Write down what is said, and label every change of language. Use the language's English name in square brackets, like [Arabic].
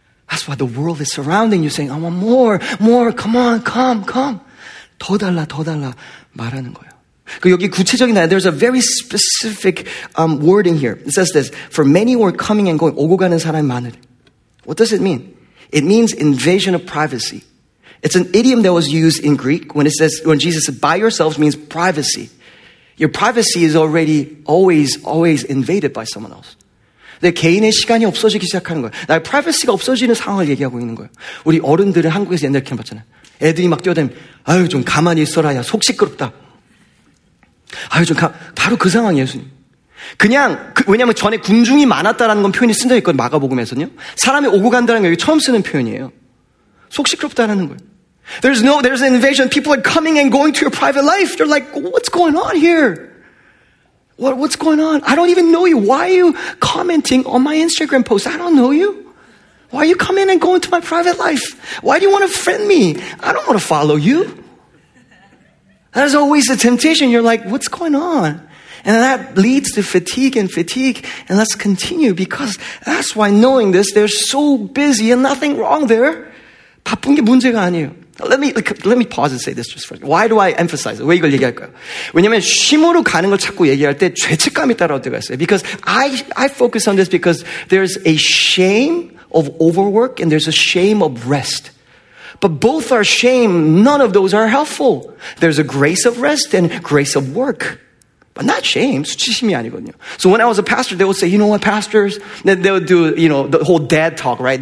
[English] That's why the world is surrounding you saying, I want more, more, come on, come, come. [Korean] 더 달라, 더 달라 말하는 거예요. 그 여기 구체적인, [English] there's a very specific wording here. It says this, for many were coming and going, [Korean] 오고 가는 사람이 많으리. [English] What does it mean? It means invasion of privacy. It's an idiom that was used in Greek when it says, when Jesus said, by yourselves means privacy. Your privacy is already always, always invaded by someone else. [Korean] 내 개인의 시간이 없어지기 시작하는 거야. 나의 privacy가 없어지는 상황을 얘기하고 있는 거야. 우리 어른들은 한국에서 옛날에 이렇게 봤잖아. 애들이 막 뛰어다니면, 아유, 좀 가만히 있어라, 야, 속 시끄럽다. 아유, 좀 가, 바로 그 상황이에요, 예수님. 그냥, 그, 왜냐면 전에 군중이 많았다라는 건 표현이 쓴 적이 있거든, 마가복음에서는요. 사람이 오고 간다는 게 여기 처음 쓰는 표현이에요. 속 시끄럽다라는 거예요. [English] There's an invasion. People are coming and going to your private life. They're like, what's going on here? What's going on? I don't even know you. Why are you commenting on my Instagram post? I don't know you. Why are you coming and going to my private life? Why do you want to friend me? I don't want to follow you. That is always a temptation. You're like, what's going on? And that leads to fatigue. And let's continue because that's why knowing this, they're so busy and nothing wrong there. [Korean] 바쁜 게 문제가 아니에요. [English] Let me pause and say this just for you. Why do I emphasize it? [Korean] 왜 이걸 얘기할까요? 왜냐면 쉼으로 가는 걸 자꾸 얘기할 때 죄책감이 따라올 때가 있어요. [English] Because I focus on this because there's a shame of overwork and there's a shame of rest. But both are shame. None of those are helpful. There's a grace of rest and grace of work. But not shame. [Korean] 수치심이 아니거든요. [English] So when I was a pastor, they would say, you know what, pastors? They would do, you know, the whole dad talk, right?